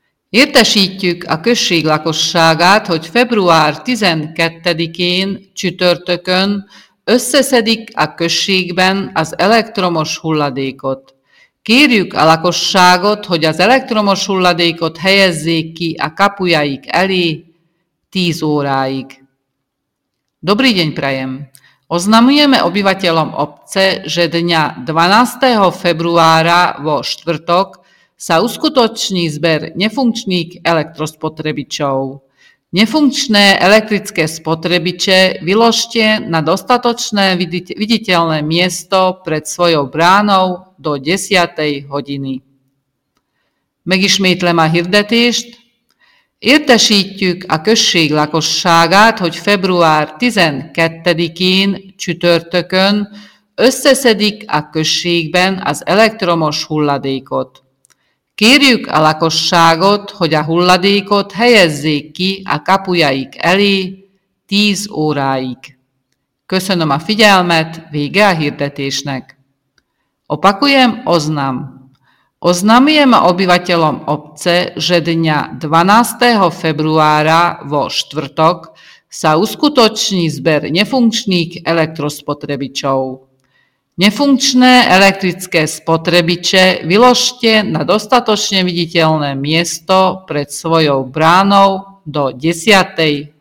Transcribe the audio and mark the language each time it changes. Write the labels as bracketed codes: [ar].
[hu] Értesítjük a község lakosságát, hogy február 12-én csütörtökön összeszedik a községben az elektromos hulladékot. Kérjük a lakosságot, hogy az elektromos hulladékot helyezzék ki a kapujaik elé 10 óráig. [sk] Dobrý deň prajem! Oznamujeme obyvateľom obce, že dňa 12. februára vo štvrtok sa uskutoční zber nefunkčných elektrospotrebičov. Nefunkčné elektrické spotrebiče vyložte na dostatočné viditeľné miesto pred svojou bránou do 10. hodiny. [hu] Megismétlem a hirdetést. Értesítjük a község lakosságát, hogy február 12-én csütörtökön összeszedik a községben az elektromos hulladékot. Kérjük a lakosságot, hogy a hulladékot helyezzék ki a kapujaik elé 10 óráig. Köszönöm a figyelmet, vége a hirdetésnek. [sk] Opakujem, oznam. Oznamujeme obyvateľom obce, že dňa 12. februára vo štvrtok sa uskutoční zber nefunkčných elektrospotrebičov. Nefunkčné elektrické spotrebiče vyložte na dostatočne viditeľné miesto pred svojou bránou do 10.